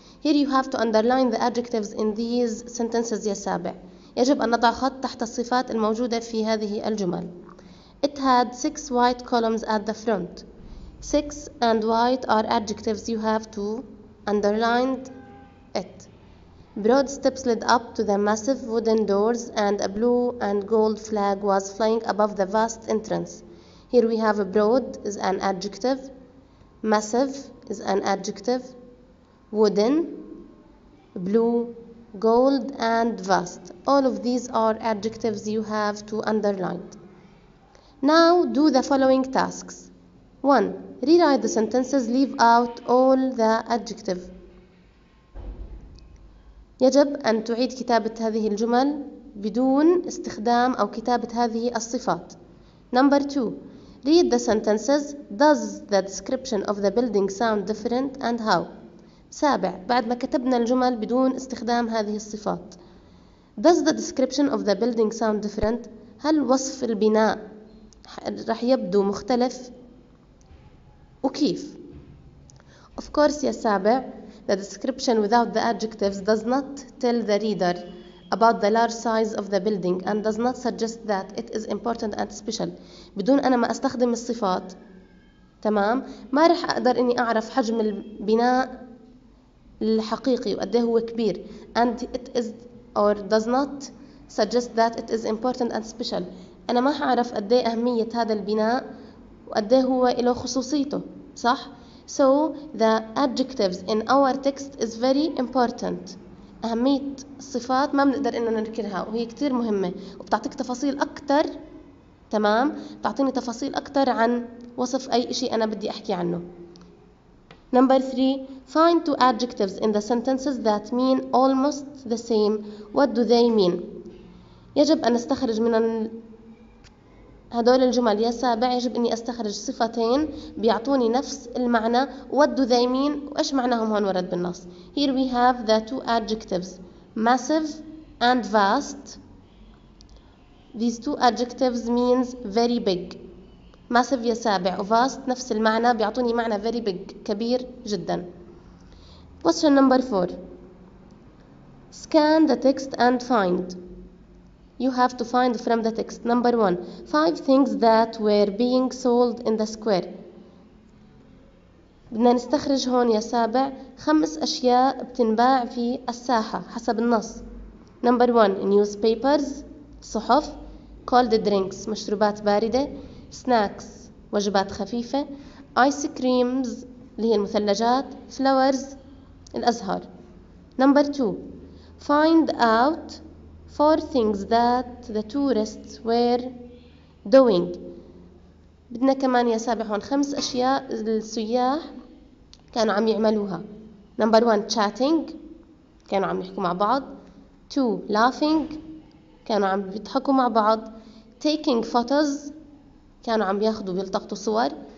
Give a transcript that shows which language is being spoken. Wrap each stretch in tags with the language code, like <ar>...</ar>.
<en>Here you have to underline the adjectives in these sentences</en> <ar>يا سابع. يجب أن نضع خط تحت الصفات الموجودة في هذه الجمل.</ar> <en>It had 6 white columns at the front. 6 and white are adjectives. You have to underline it. Broad steps led up to the massive wooden doors, and a blue and gold flag was flying above the vast entrance. Here we have a broad is an adjective, massive is an adjective, wooden, blue, gold, and vast. All of these are adjectives you have to underline. Now do the following tasks. 1. Rewrite the sentences, leave out all the adjectives.</en> <ar>يجب أن تعيد كتابة هذه الجمل بدون استخدام أو كتابة هذه الصفات.</ar> <en>Number 2. Read the sentences. Does the description of the building sound different and how? 7.</en> <ar>بعد ما كتبنا الجمل بدون استخدام هذه الصفات.</ar> <en>Does the description of the building sound different?</en> <ar>هل وصف البناء رح يبدو مختلف؟ وكيف؟</ar> <en>Of course</en> <ar>يا 7.</ar> <en>The description without the adjectives does not tell the reader about the large size of the building and does not suggest that it is important and special.</en> <ar>بدون أنا ما أستخدم الصفات تمام ما رح أقدر إني أعرف حجم البناء الحقيقي وقد هو كبير.</ar> <en>And it is or does not suggest that it is important and special.</en> <ar>أنا ما هعرف قد إيه أهمية هذا البناء وقد إيه هو له خصوصيته صح؟</ar> <en>So the adjectives in our text is very important.</en> <ar>أهمية الصفات ما بنقدر إننا ننكرها وهي كتير مهمة وبتعطيك تفاصيل أكتر تمام بتعطيني تفاصيل أكتر عن وصف أي شيء أنا بدي أحكي عنه.</ar> <en>Number 3. Find two adjectives in the sentences that mean almost the same. What do they mean?</en> <ar>يجب أن أستخرج من هدول الجمل يا سابع يجب أني أستخرج صفتين بيعطوني نفس المعنى.</ar> <en>What do they mean؟</en> <ar>وإيش معناهم هون ورد بالنص.</ar> <en>Here we have the two adjectives massive and vast. These two adjectives means very big.</en> <ar>massive يا سابع و vast نفس المعنى بيعطوني معنى</ar> <en>very big</en> <ar>كبير جدا.</ar> <en>Question number 4. Scan the text and find. You have to find from the text. Number 1. 5 things that were being sold in the square.</en> <ar>بدنا نستخرج هون يا سابع 5 أشياء بتنباع في الساحة حسب النص.</ar> <en>Number 1. Newspapers. صحف. Cold drinks.</en> <ar>مشروبات باردة. Snacks. وجبات خفيفة.</ar> <en>Ice creams.</en> <ar>اللي هي المثلجات.</ar> <en>Flowers. الأزهار. Number 2. Find out 4 things that the tourists were doing.</en> <ar>بدنا كمان يا سابع هون 5 أشياء السياح كانوا عم يعملوها.</ar> <en>Number 1. Chatting.</en> <ar>كانوا عم يحكوا مع بعض. 2.</ar> <en>Laughing.</en> <ar>كانوا عم بيضحكوا مع بعض.</ar> <en>Taking photos.</en> <ar>كانوا عم ياخذوا بيلتقطوا صور.</ar>